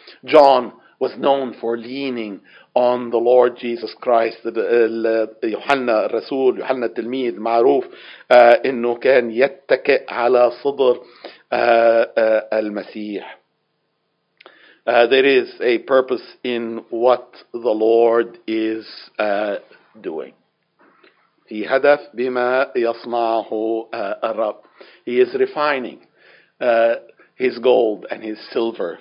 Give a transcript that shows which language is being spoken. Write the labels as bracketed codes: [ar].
[en] John was known for leaning on the Lord Jesus Christ. [ar] يوحنا الرسول يوحنا التلميذ معروف إنه كان يتكئ على صدر المسيح. [en] There is a purpose in what the Lord is doing. [ar] في هدف بما يصنعه الرب. [en] He is refining his gold and his silver.